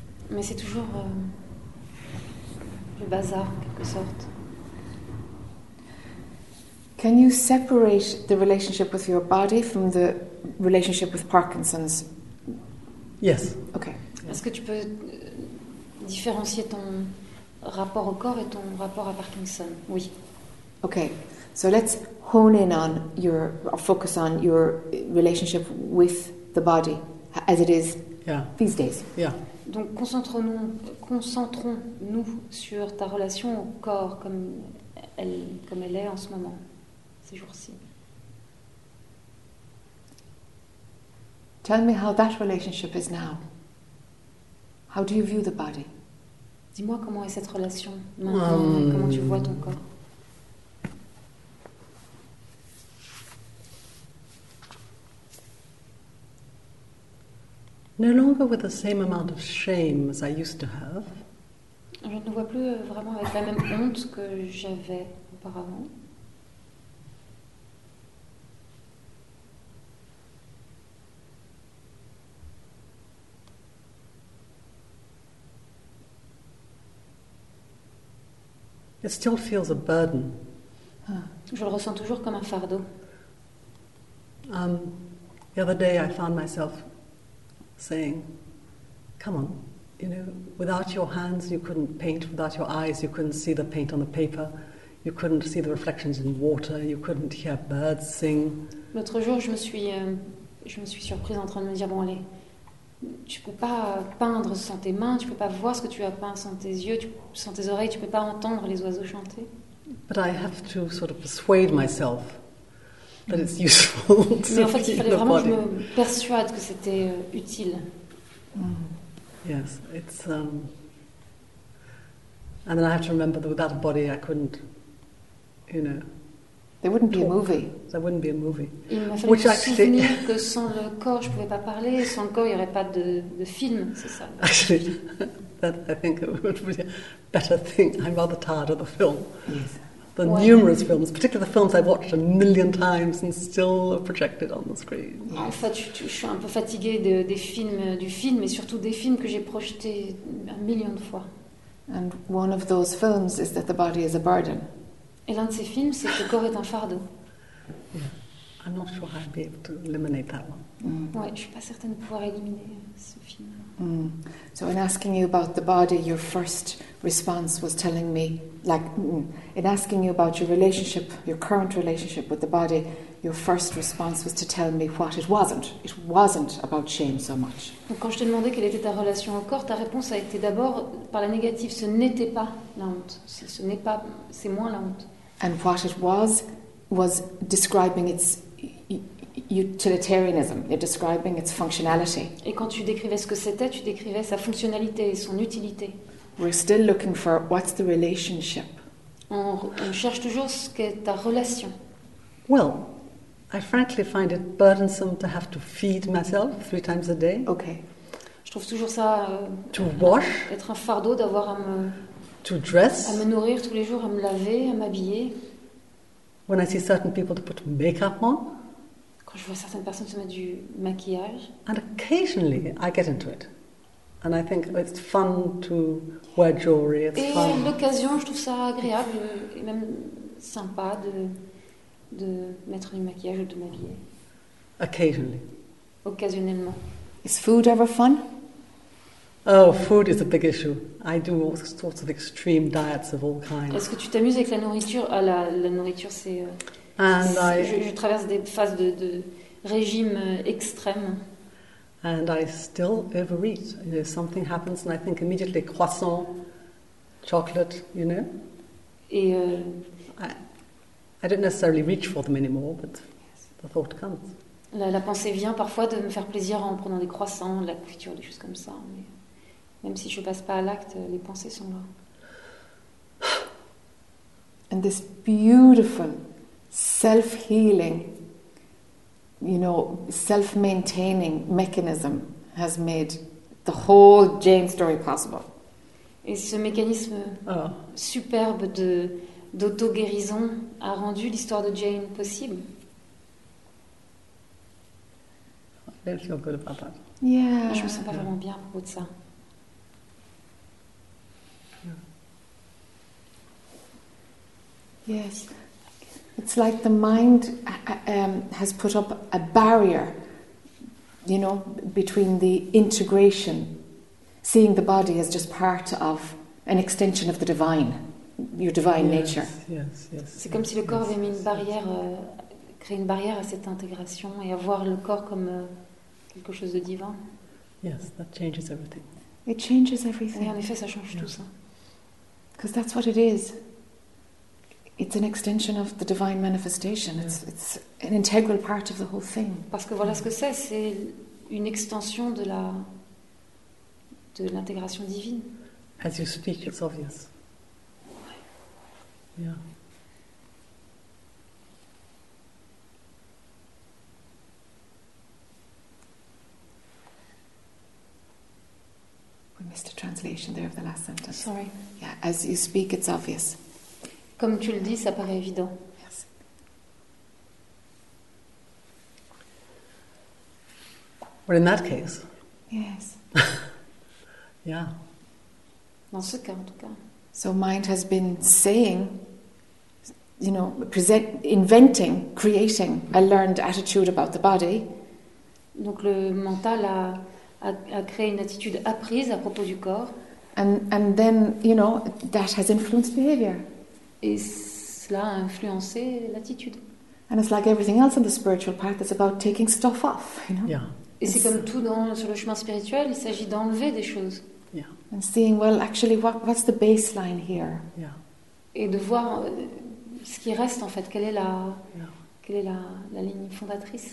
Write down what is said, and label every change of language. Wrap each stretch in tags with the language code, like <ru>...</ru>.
<fr>mais c'est toujours le bazar, en quelque sorte.</fr> <en>Can you separate the relationship with your body from the relationship with Parkinson's? Yes. Okay.</en> <fr>Est-ce que tu peux différencier ton rapport au corps et ton rapport à Parkinson? Oui.</fr> <en>Okay. So let's hone in on your, or focus on your relationship with the body as it is these days. Yeah.</en> <fr>Donc concentrons-nous sur ta relation au corps comme elle est en ce moment.</fr> <en>Tell me how that relationship is now. How do you view the body?</en> <fr>Dis-moi comment est cette relation maintenant, comment tu vois ton corps.</fr> <en>No longer with the same amount of shame as I used to have.</en> <fr>Je ne vois plus vraiment avec la même honte que j'avais auparavant.</fr> <en>It still feels a burden.</en> <fr>Je le ressens toujours comme un fardeau.</fr> <en>The other day I found myself saying, come on, you know, without your hands you couldn't paint, without your eyes you couldn't see the paint on the paper, you couldn't see the reflections in water, you couldn't hear birds sing.</en> <fr>L'autre jour je me suis surprise en train de me dire, bon allez, tu peux pas peindre sans tes mains, tu peux pas voir ce que tu as peint sans tes yeux, sans tes oreilles, tu peux pas entendre les oiseaux chanter.</fr> <en>But I have to sort of persuade myself that it's useful.</en> <fr>Mais en fait, il fallait vraiment que je me persuade que c'était utile</fr> <en>Mm. Yes, it's... And then I have to remember that without a body I couldn't, you know... There wouldn't be a movie. There wouldn't be a movie.</en> <fr>Il m'a fallu me souvenir que sans le corps, je ne pouvais pas parler. Sans le corps, il n'y aurait pas de, de film, c'est ça.</fr> <en>Actually, that I think it would be a better thing. I'm rather tired of the film. Yes. The well, numerous films, particularly the films I've watched a million times and still projected on the screen.</en> <fr>En fait, je suis un peu fatiguée de, des films, du film, et surtout des films que j'ai projetés un million de fois.</fr> <en>And one of those films is that the body is a burden.</en> <fr>Et l'un de ces films, c'est que le corps est un fardeau.</fr> <en>Yeah. I'm not sure I'd be able to eliminate that one. Mm.</en> <fr>Ouais, je suis pas certaine de pouvoir éliminer ce film. Mm.</fr> <en>So in asking you about the body, your first response was telling me, like, in asking you about your relationship, your current relationship with the body, your first response was to tell me what it wasn't. It wasn't about shame so much.</en> <fr>Donc quand je t'ai demandé quelle était ta relation au corps, ta réponse a été d'abord par la négative. Ce n'était pas la honte. Ce n'est pas, c'est moins la honte.</fr> <en>And what it was describing its utilitarianism. You're describing its functionality.</en> <fr>Et quand tu décrivais ce que c'était, tu décrivais sa fonctionnalité et son utilité.</fr> <en>We're still looking for what's the relationship.</en> <fr>On cherche toujours ce qu'est ta relation.</fr> <en>Well, I frankly find it burdensome to have to feed myself three times a day. Okay.</en> <fr>Je trouve toujours ça</fr> <en>to wash,</en> <fr>être un fardeau d'avoir à me</fr> <en>to dress,</en> <fr>à me nourrir tous les jours, à me laver, à m'habiller.</fr> <en>When I see certain people to put makeup on.</en> <fr>Quand je vois certaines personnes se mettre du maquillage.</fr> <en>And occasionally I get into it. And I think it's fun to wear jewelry. It's</en> <fr>et</fr> <en>fun.</en> <fr>L'occasion, je trouve ça agréable et même sympa de mettre du maquillage ou de m'habiller.</fr> <en>Occasionally.</en> <fr>Occasionnellement.</fr> <en>Is food ever fun? Oh, food is a big issue. I do all sorts of extreme diets of all kinds.</en> <fr>Est-ce que tu t'amuses avec la nourriture? Ah, la nourriture, c'est.</fr> <en>And</en> <fr>c'est,</fr> <en>I.</en> <fr>Je traverse des phases de régime extrême.</fr> <en>And I still overeat. You know, something happens, and I think immediately croissant, chocolate. You know.</en> <fr>Et</fr> <en>I don't necessarily reach for them anymore, but the thought comes.</en> <fr>La pensée vient parfois de me faire plaisir en prenant des croissants, de la confiture, des choses comme ça. Mais même si je passe pas à l'acte, les pensées sont là.</fr> <en>And this beautiful self-healing. You know, self-maintaining mechanism has made the whole Jane story possible.</en> <fr>Et ce mécanisme superbe d'auto-guérison a rendu l'histoire de Jane possible.</fr> <en>I don't feel good about that. Yeah.</en> <fr>Moi, je me sens pas vraiment bien à propos de ça.</fr> <en>Yeah. Yes. It's like the mind has put up a barrier, you know, between the integration, seeing the body as just part of an extension of the divine, your divine nature. Yes, yes.</en> <fr>C'est comme si le corps avait mis une barrière, créé une barrière à cette intégration et à voir le corps comme quelque chose de divin.</fr> <en>Yes, that changes everything. It changes everything.</en> <fr>Et en effet, ça change tout ça.</fr> <en>Because that's what it is. It's an extension of the divine manifestation. Yeah. It's an integral part of the whole thing.</en> <fr>Parce que voilà ce que c'est une extension de la de l'intégration divine.</fr> <en>As you speak, it's obvious.</en> <fr>Ouais.</fr> <en>Yeah. We missed a translation there of the last sentence. Sorry. Yeah, as you speak, it's obvious.</en> <fr>Comme tu le dis, ça paraît évident. Merci.</fr> <en>Well, in that case. Yes. Yeah.</en> <fr>Dans ce cas, en tout cas.</fr> <en>So mind has been saying, you know, present, inventing, creating a learned attitude about the body.</en> <fr>Donc le mental a créé une attitude apprise à propos du corps.</fr> <en>And then, you know, that has influenced behavior.</en> <fr>Et cela a influencé l'attitude.</fr> <en>And it's like everything else on the spiritual path, it's about taking stuff off, you know. Yeah.</en> <fr>Et c'est comme tout sur le chemin spirituel, il s'agit d'enlever des choses.</fr> <en>Yeah. And seeing, well, actually, what's the baseline here? Yeah.</en> <fr>Et de voir ce qui reste en fait, quelle est la ligne fondatrice.</fr>